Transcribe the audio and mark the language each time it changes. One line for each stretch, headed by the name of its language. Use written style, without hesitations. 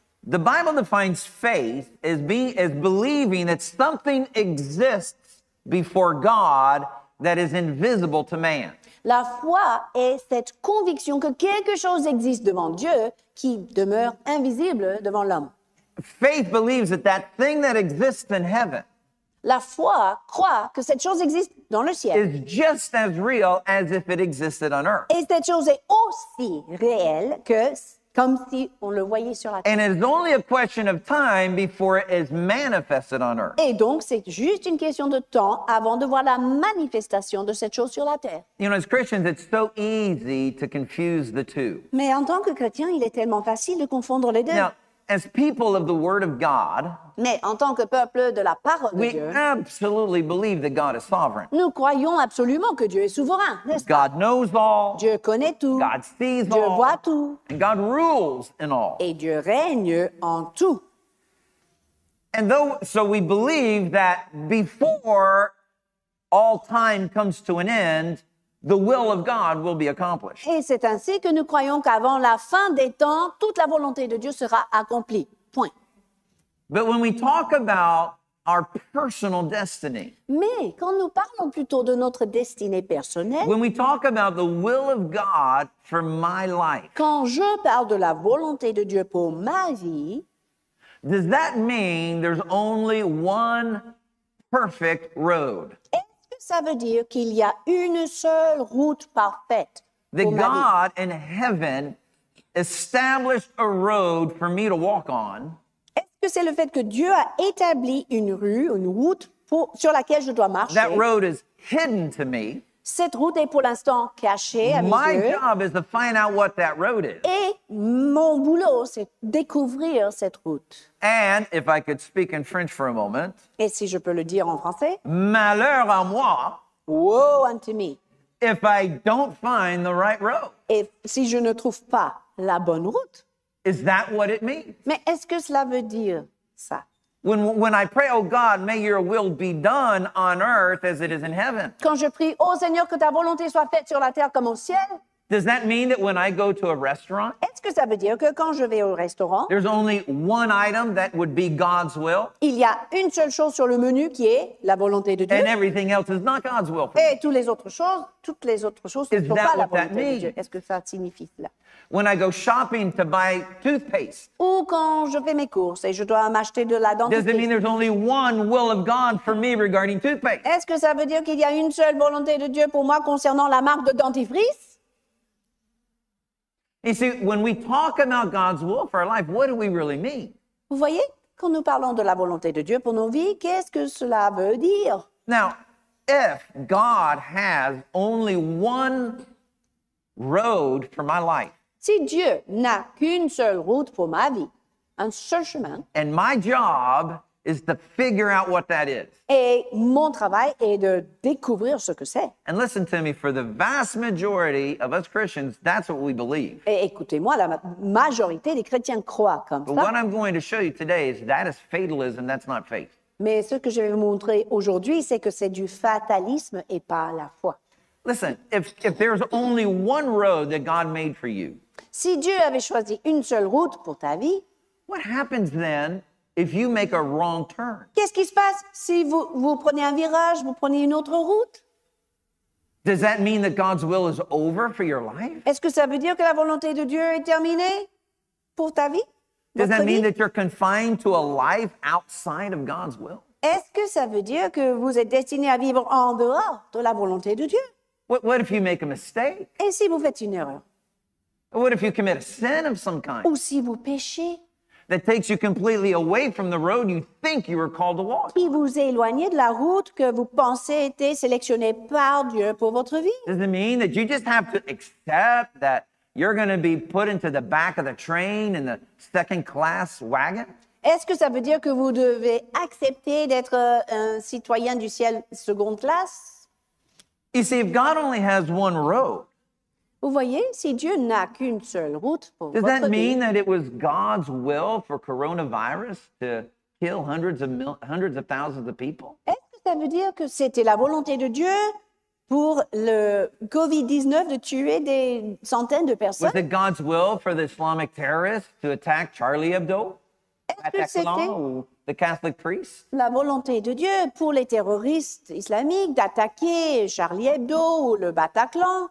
English: The Bible defines faith as being as believing that something exists before God that is invisible to man.
French: La foi est cette conviction que quelque chose existe devant Dieu qui demeure invisible devant l'homme.
English: Faith believes that that thing that exists in heaven.
French: La foi croit que cette chose existe dans le ciel.
English: Is just as real as if it existed on earth.
French: Et cette chose est aussi réelle que comme si on le voyait sur la terre.
English: And it is only a question of time before it is manifested on earth.
French: Et donc c'est juste une question de temps avant de voir la manifestation de cette chose sur la terre.
English: You know, as Christians, it's so easy to confuse the two.
French: Mais en tant que chrétien, il est tellement facile de confondre les deux.
English: Now, as people of the Word of God,
French: mais en tant que peuple de la parole de
English: we
French: Dieu,
English: absolutely believe that God is sovereign.
French: Nous croyons absolument que Dieu est souverain, n'est-ce
English: God
French: pas?
English: God knows all.
French: Dieu connaît tout.
English: God sees
French: Dieu
English: all.
French: Dieu voit tout.
English: And God rules in all.
French: Et Dieu règne en tout.
English: And though, so we believe that before all time comes to an end, the will of God will be accomplished.
French: Et c'est ainsi que nous croyons qu'avant la fin des temps, toute la volonté de Dieu sera accomplie. Point.
English: But when we talk about our personal destiny,
French: mais quand nous parlons plutôt de notre destinée personnelle,
English: when we talk about the will of God for my life,
French: quand je parle de la volonté de Dieu pour ma vie,
English: does that mean there's only one perfect road?
French: Ça veut dire qu'il y a une seule route parfaite.
English: That God in heaven established a road for me to walk on.
French: Est-ce que c'est le fait que Dieu a établi une rue, une route pour, sur laquelle je dois marcher?
English: That road is hidden to me.
French: Cette route est pour l'instant cachée à
English: my
French: mes yeux.
English: My job is to find out what that road is.
French: Et mon boulot, c'est découvrir cette route.
English: And if I could speak in French for a moment.
French: Et si je peux le dire en français. Malheur à moi.
English: Woe unto me. If I don't find the right road.
French: Et si je ne trouve pas la bonne route.
English: Is that what it means?
French: Mais est-ce que cela veut dire ça?
English: When I pray, oh God, may your will be done on earth as it is in heaven.
French: Quand je prie, oh Seigneur, que ta volonté soit faite sur la terre comme au ciel.
English: Does that mean that when I go to a restaurant?
French: Est-ce que ça veut dire que quand je vais au restaurant?
English: There's only one item that would be God's will.
French: Il y a une seule chose sur le menu qui est la volonté de Dieu.
English: And everything else is not God's will.
French: Et toutes les autres choses ne sont pas la volonté de Dieu. Est-ce que ça signifie cela?
English: When I go shopping to buy toothpaste.
French: Ou quand je fais mes courses et je dois m'acheter de la dentifrice.
English: Does it mean there's only one will of God for me regarding toothpaste?
French: Est-ce que ça veut dire qu'il y a une seule volonté de Dieu pour moi concernant la marque de dentifrice?
English: You see, when we talk about God's will for our life, what do we really mean?
French: Vous voyez, quand nous parlons de la volonté de Dieu pour nos vies, qu'est-ce que cela veut dire?
English: Now, if God has only one road for my life,
French: si Dieu n'a qu'une seule route pour ma vie, un seul chemin,
English: and my job is to figure out what that is.
French: Et mon travail est de découvrir ce que c'est.
English: And listen to me, for the vast majority of us Christians, that's what we believe.
French: Et écoutez-moi, la majorité des chrétiens croient comme ça.
English: But what I'm going to show you today is that is fatalism, that's not faith.
French: Mais ce que je vais vous montrer aujourd'hui, c'est que c'est du fatalisme et pas la foi.
English: Listen, if there's only one road that God made for you,
French: si Dieu avait choisi une seule route pour ta vie,
English: what happens then if you make a wrong turn?
French: Qu'est-ce qui se passe si vous prenez un virage, vous prenez une autre route?
English: Does that mean that God's will is over for your life?
French: Est-ce que ça veut dire que la volonté de Dieu est terminée pour ta vie?
English: Does that mean
French: vie?
English: That you're confined to a life outside of God's will?
French: Est-ce que ça veut dire que vous êtes destiné à vivre en dehors de la volonté de Dieu?
English: What if you make a mistake?
French: Et si vous faites une erreur?
English: What if you commit a sin of some kind?
French: Ou si vous péchez?
English: That takes you completely away from the road you think you were called to walk.
French: Qui vous éloigne de la route que vous pensez était sélectionnée par Dieu pour votre vie?
English: Does it mean that you just have to accept that you're going to be put into the back of the train in the second class wagon?
French: Est-ce que ça veut dire que vous devez accepter d'être un citoyen du ciel seconde classe?
English: You see, if God only has one road,
French: vous voyez, si Dieu n'a qu'une seule route pour
English: does
French: votre
English: that mean
French: vie,
English: that it was God's will for coronavirus to kill hundreds of thousands of people?
French: Est-ce que ça veut dire que c'était la volonté de Dieu pour le COVID-19 de tuer des centaines de personnes?
English: Was it God's will for the Islamic terrorists to attack Charlie Hebdo? The Catholic priest?
French: La volonté de Dieu pour les terroristes islamiques d'attaquer Charlie Hebdo ou le Bataclan?